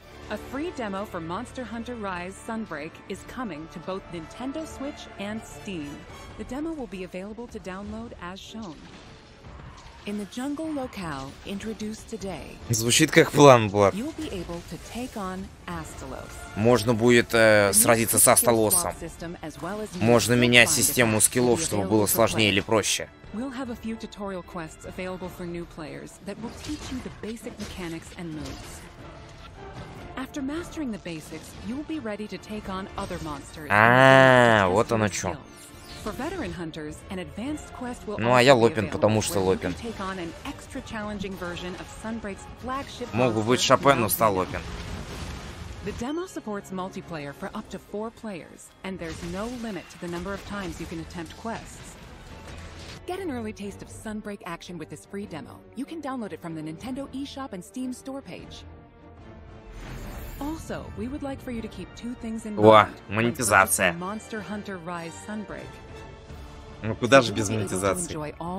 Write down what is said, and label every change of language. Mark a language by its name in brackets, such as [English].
[English] A free demo for Monster Hunter Rise Sunbreak is coming to both Nintendo Switch and Steam. The demo will be available to download as shown. In the jungle locale introduced today. [Russian] Звучит как план, Блад. [English] You'll be able to take on Astalos. [Russian] Можно будет сразиться с Астолосом. Можно менять систему скиллов, чтобы было сложнее или проще. [English] We'll have a few tutorial quests available for new players that will teach you the basic mechanics and moves. After mastering the basics, you'll be ready to take on other monsters. [Russian] А, вот оно что. [English] For veteran hunters, an advanced quest will. [Russian] Ну а я Лопин, потому что Лопин. [English] Take on an extra challenging version of Sunbreak's flagship. [Russian] Мог бы быть Шопен, но стал Лопин. [English] The demo supports multiplayer for up to 4 players, and there's no limit to the number of times you can attempt quests. Get an early taste of Sunbreak action with this free demo. You can download it from the Nintendo eShop and Steam store page. Also, we would like for you to keep two things in mind. [Russian] Во, [English] Monster Hunter Rise Sunbreak. [Russian] Ну куда же без монетизации?